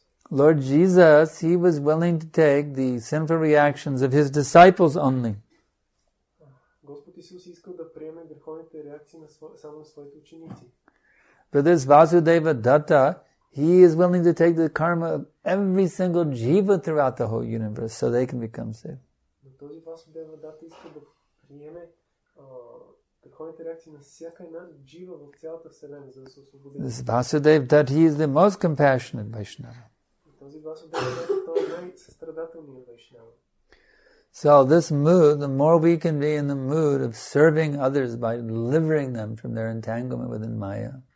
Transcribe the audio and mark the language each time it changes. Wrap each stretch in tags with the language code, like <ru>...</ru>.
<en>Lord Jesus, he was willing to take the sinful reactions of his disciples only. But this Vasudeva Dutta, he is willing to take the karma of every single jiva throughout the whole universe so they can become saved.</en> <bg>Васудева Дата иска да приеме духовните реакции на всяка една жива в цялата вселена, за да се освободи.</bg> <en>This Vasudev Dutta, he is the most compassionate Vaishnava.</en> <bg>Този Васудева Дата, той е най-състрадателният Вайшнава.</bg> <en>So this mood, the more we can be in the mood of serving others by delivering them from their entanglement within Maya.</en>